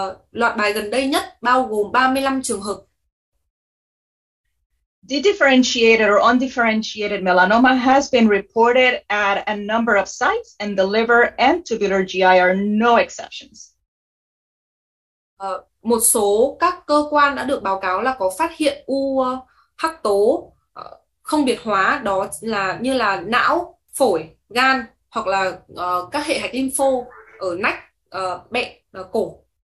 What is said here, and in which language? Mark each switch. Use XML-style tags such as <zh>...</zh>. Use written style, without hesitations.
<vi>Loạt bài gần đây nhất bao gồm 35 trường hợp.</vi> <en>Dedifferentiated or undifferentiated melanoma has been reported at a number of sites, and the liver and tubular GI are no exceptions.</en> <vi>Một số các cơ quan đã được báo cáo là có phát hiện u hắc tố không biệt hóa, đó là như là não, phổi, gan hoặc là các hệ hạch lympho ở nách, bẹn, cổ.</vi>